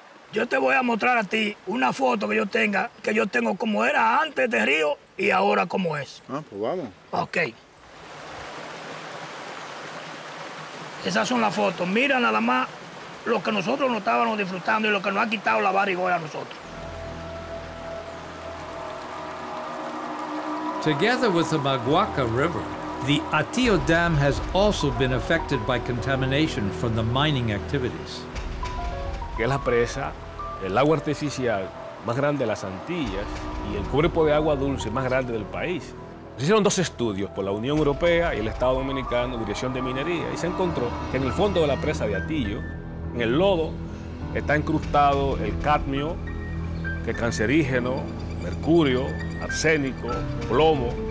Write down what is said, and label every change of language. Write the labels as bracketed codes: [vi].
[es] Yo te voy a mostrar a ti una foto que yo tengo como era antes de río y ahora como es. Ah, pues vamos. Ok. Esas son las fotos. Mira nada más lo que nosotros nos estábamos disfrutando y lo que nos ha quitado la Barrick Gold a nosotros. [en] Together with the Maguaca River, the Atillo Dam has also been affected by contamination from the mining activities. [es] Que es la presa, el agua artificial más grande de las Antillas y el cuerpo de agua dulce más grande del país. Se hicieron dos estudios por la Unión Europea y el Estado Dominicano, Dirección de Minería, y se encontró que en el fondo de la presa de Atillo, en el lodo, está incrustado el cadmio, que es cancerígeno, mercurio, arsénico, plomo.